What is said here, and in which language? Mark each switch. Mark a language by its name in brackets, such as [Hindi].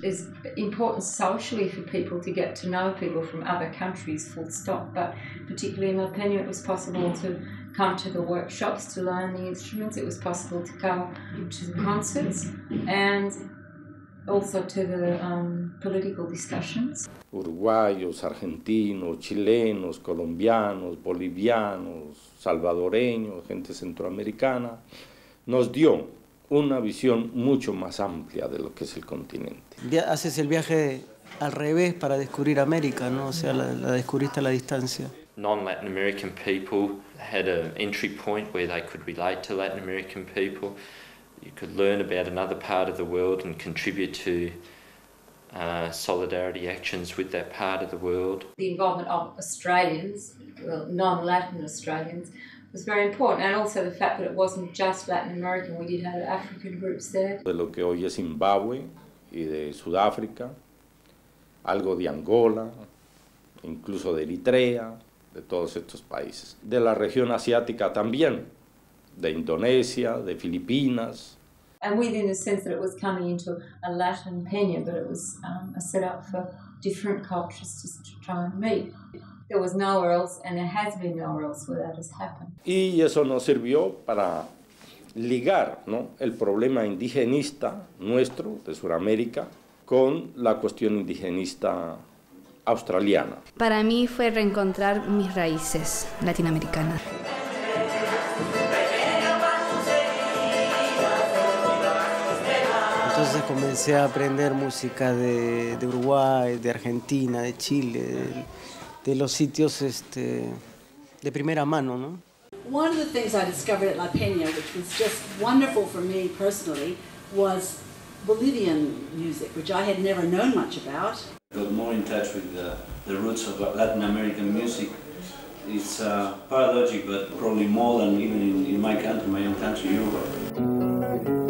[English] It's important socially for people to get to know people from other countries, full stop, but particularly in La Peña it was possible to come to the workshops to learn the instruments, it was possible to come to the concerts and also to the political discussions. [Spanish] Uruguayos, argentinos, chilenos, colombianos, bolivianos, salvadoreños, gente centroamericana, nos dio una visión mucho más amplia de lo que es el continente. Haces el viaje al revés para descubrir América, ¿no? O sea, la descubriste a la distancia. [English] Non-Latin American people had an entry point where they could relate to Latin American people. You could learn about another part of the world and contribute to solidarity actions with that part of the world. The involvement of Australians, well, non-Latin Australians, was very important, and also the fact that it wasn't just Latin American, we did have African groups there. [Spanish] De lo que hoy es Zimbabue y de Sudáfrica, algo de Angola, incluso de Eritrea, de todos estos países. De la región asiática también, de Indonesia, de Filipinas. [English] And within the sense that it was coming into a Latin Peña, but it was a setup for different cultures just to try and meet. There was nowhere else, and there has been nowhere else where that has happened. [Spanish] Y eso nos sirvió para ligar, ¿no?, el problema indigenista nuestro de Sudamérica con la cuestión indigenista australiana. Para mí fue reencontrar mis raíces latinoamericanas. Entonces comencé a aprender música de Uruguay, de Argentina, de Chile, de los sitios de primera mano, ¿no? [English] One of the things I discovered at La Peña, which was just wonderful for me personally, was Bolivian music, which I had never known much about. I got more in touch with the roots of Latin American music. It's paradoxical, but probably more than even in my country, my own country, Uruguay.